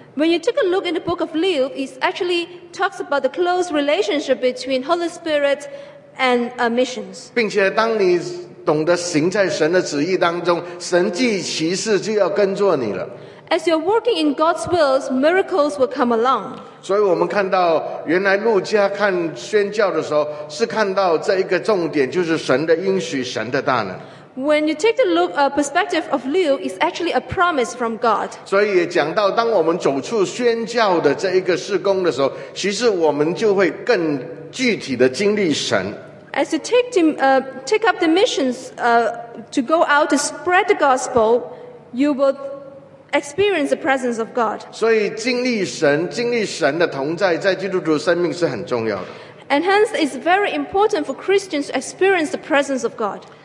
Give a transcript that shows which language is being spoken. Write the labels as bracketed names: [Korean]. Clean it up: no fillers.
[English] When you take a look in the book of Luke, it actually talks about the close relationship between Holy Spirit and missions. [Chinese] 并且当你懂得行在神的旨意当中，神既启示就要跟着你了。 [English] As you're working in God's will, miracles will come along. [Chinese] 所以我们看到，原来路加看宣教的时候，是看到这一个重点，就是神的应许，神的大能。 [English] When you take the look, perspective of Luke, it's actually a promise from God. [Chinese] 所以也讲到，当我们走出宣教的这一个事工的时候，其实我们就会更具体的经历神。 [English] As you take the, take up the missions, to go out to spread the gospel, you will experience the presence of God. [Chinese] 所以经历神，经历神的同在，在基督徒生命是很重要的。 [English] And hence, it's very important for Christians to experience the presence of God.